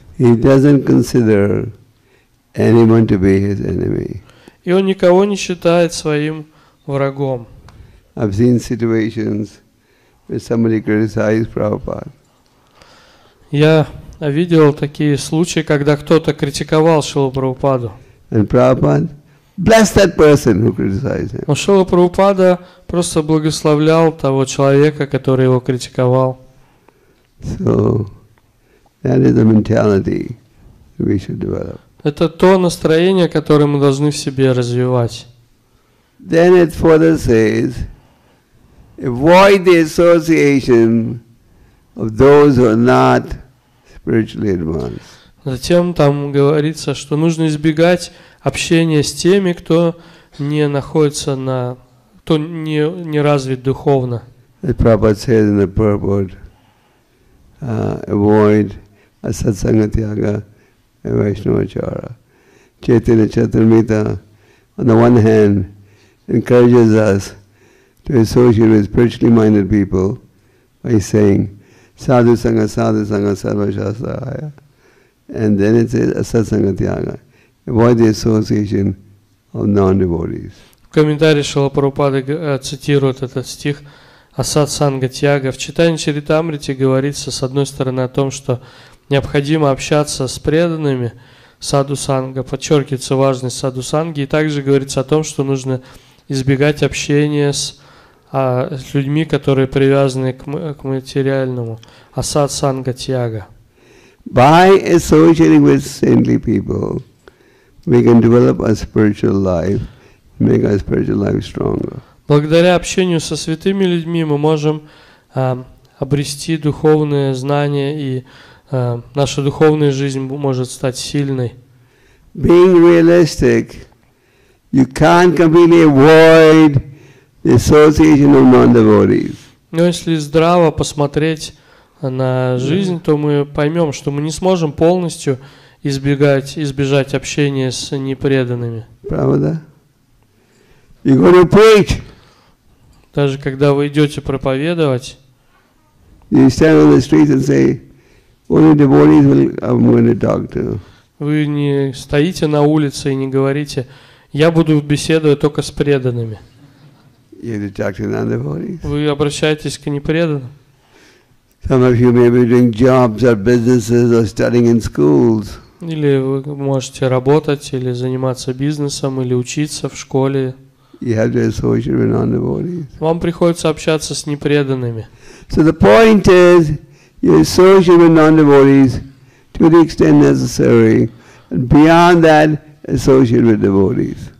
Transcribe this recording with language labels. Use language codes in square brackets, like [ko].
[en] He doesn't consider anyone to be his enemy. [ru] И он никого не считает своим врагом. [en] I've seen situations where somebody criticized Prabhupada. [ru] Я видел такие случаи, когда кто-то критиковал Шрилу Прабхупаду. [en] And Prabhupada blessed that person who criticized him. [ru] Но Шрила Прабхупада просто благословлял того человека, который его критиковал. [en] So that is the mentality we should develop. [ru] Это то настроение, которое мы должны в себе развивать. [en] Then it further says, avoid the association of those who are not spiritually advanced. [ru] Затем там говорится, что нужно избегать общения с теми, кто не находится на, кто не развит духовно. [en] As Prabhupada says in the purport, avoid a satsanga tyaga and Vaishnava chara. Chaitanya Charitamrita, on the one hand, encourages us to associate with spiritually minded people by saying sadhu sangha, sadhu sangha, sarva shastraya, and then it says asat sangha tyaga, avoid the association of non-devotees. [ru] В комментарии Шрила Прабхупада цитирует этот стих, Асад Санга Тьяга. В читании Чаритамрити говорится, с одной стороны, о том, что необходимо общаться с преданными Саду Санга, подчеркивается важность Саду Санги, и также говорится о том, что нужно избегать общения с людьми, которые привязаны к материальному. Асад Санга Тьяга. [en] By associating with saintly people, we can develop our spiritual life, make our spiritual life stronger. [ru] Благодаря общению со святыми людьми мы можем обрести духовные знания, и наша духовная жизнь может стать сильной. [en] Being realistic, you can't completely avoid the association of non-devotees. [ru] Но если здраво посмотреть на жизнь, то мы поймем, что мы не сможем полностью избежать общения с непреданными. Правда? [en] You're going to preach. [ru] Даже когда вы идете проповедовать, [en] you stand on the street and say, only devotees will, I'm going to talk to. [ru] Вы не стоите на улице и не говорите, я буду беседовать только с преданными. [en] You need to talk to non-devotees. [ru] Вы обращаетесь к непреданным. [en] Some of you may be doing jobs or businesses or studying in schools. [ru] Или вы можете работать, или заниматься бизнесом, или учиться в школе. [en] You have to associate with non-devotees. [ru] Вам приходится общаться с непреданными. [en] So the point is, you associate with non-devotees to the extent necessary, and beyond that, associate with devotees.